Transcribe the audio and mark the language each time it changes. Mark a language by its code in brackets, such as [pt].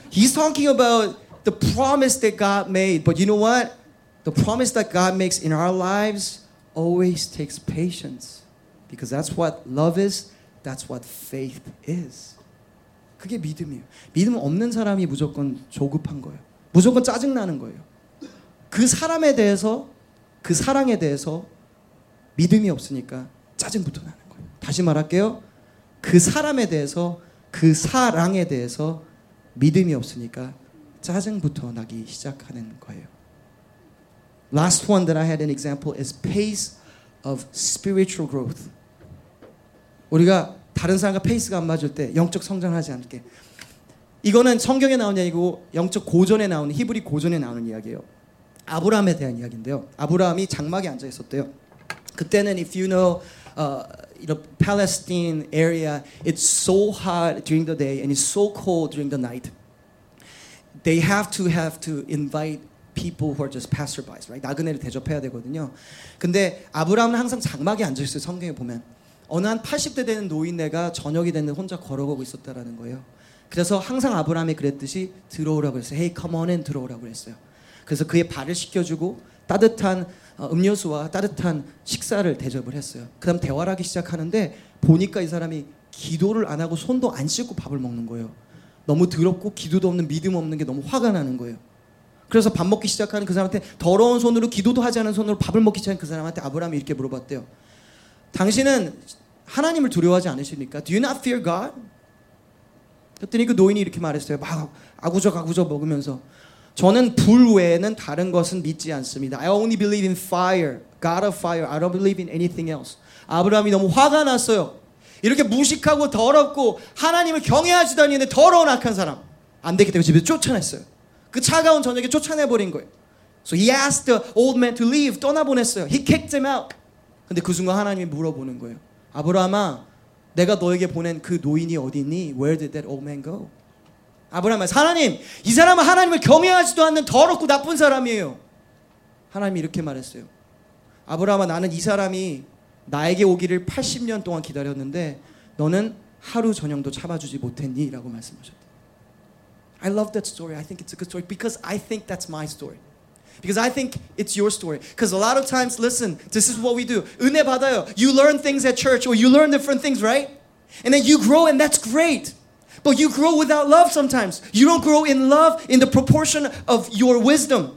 [en] He's talking about the promise that God made. But you know what? The promise that God makes in our lives always takes patience, because that's what love is. That's what faith is. [ko] 그게 믿음이에요. 믿음 없는 사람이 무조건 조급한 거예요. 무조건 짜증 나는 거예요. 그 사람에 대해서, 그 사랑에 대해서 믿음이 없으니까 짜증부터 나는 거예요. 다시 말할게요. 그 사람에 대해서, 그 사랑에 대해서 믿음이 없으니까 짜증부터 나기 시작하는 거예요. [en] Last one that I had an example is pace of spiritual growth. [ko] 우리가 다른 사람과 페이스가 안 맞을 때 영적 성장하지 않게. 이거는 성경에 나오는 이야기고 영적 고전에 나오는, 히브리 고전에 나오는 이야기예요. 아브라함에 대한 이야기인데요. 아브라함이 장막에 앉아 있었대요. 그때는 [en] if you know the Palestine area, it's so hot during the day and it's so cold during the night. They have to invite people who are just passerby, right? [ko] 나그네를 대접해야 되거든요. 근데 아브라함은 항상 장막에 앉아 있어요. 성경에 보면 어느 한 80대 되는 노인네가 저녁이 되는 혼자 걸어가고 있었다라는 거예요. 그래서 항상 아브라함이 그랬듯이 들어오라고 했어요. [en] Hey, come on in, [ko] 들어오라고 했어요. 그래서 그의 발을 씻겨주고 따뜻한 음료수와 따뜻한 식사를 대접을 했어요. 그 다음 대화를 하기 시작하는데 보니까 이 사람이 기도를 안 하고 손도 안 씻고 밥을 먹는 거예요. 너무 더럽고 기도도 없는 믿음 없는 게 너무 화가 나는 거예요. 그래서 밥 먹기 시작하는 그 사람한테 더러운 손으로 기도도 하지 않은 손으로 밥을 먹기 시작한 그 사람한테 아브라함이 이렇게 물어봤대요. 당신은 하나님을 두려워하지 않으십니까? [en] Do you not fear God? [ko] 그랬더니 그 노인이 이렇게 말했어요. 막 아구적아구적 먹으면서 저는 불 외에는 다른 것은 믿지 않습니다. [en] I only believe in fire, God of fire. I don't believe in anything else. [ko] 아브라함이 너무 화가 났어요. 이렇게 무식하고 더럽고 하나님을 경외하지도 않는데 더러운 악한 사람. 안 되기 때문에 집에서 쫓아냈어요. 그 차가운 저녁에 쫓아내버린 거예요. [en] So he asked the old man to leave, [ko] 떠나보냈어요. [en] He kicked him out. [ko] 근데 그 순간 하나님이 물어보는 거예요. 아브라함아, 내가 너에게 보낸 그 노인이 어디 있니? [en] Where did that old man go? [ko] 아브라함 말해서 하나님 이 사람은 하나님을 경외하지도 않는 더럽고 나쁜 사람이에요. 하나님이 이렇게 말했어요. 아브라함아 나는 이 사람이 나에게 오기를 80년 동안 기다렸는데 너는 하루 저녁도 참아주지 못했니? 라고 말씀하셨대. [en] I love that story. I think it's a good story because I think that's my story. Because I think it's your story. Because a lot of times, listen, this is what we do. [ko] 은혜 받아요. [en] You learn things at church or you learn different things, right? And then you grow and that's great. But you grow without love sometimes. You don't grow in love in the proportion of your wisdom.